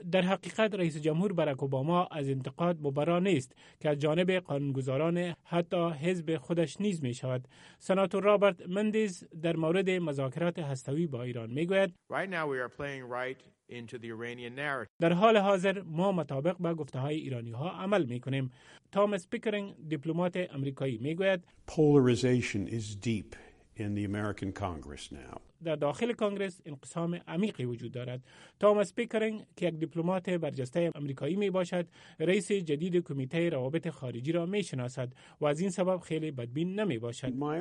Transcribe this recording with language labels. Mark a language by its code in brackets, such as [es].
[fa] در حقیقت رئیس جمهور براک اوباما از انتقاد مبرا نیست که از جانب قانونگذاران حتی حزب خودش نیز میشود. سناتور رابرت مندیز در مورد مذاکرات هسته‌ای با ایران میگوید: در حال حاضر ما مطابق با گفته های ایرانی ها عمل می کنیم. تامس پیکرینگ دیپلمات آمریکایی می گوید: [en] Polarization is deep in the American Congress now. [fa] در داخل کانگرس انقسام عمیقی وجود دارد. تامس پیکرینگ که یک دیپلمات برجسته آمریکایی می باشد، رئیس جدید کمیته روابط خارجی را می شناسد و از این سبب خیلی بدبین نمی باشد.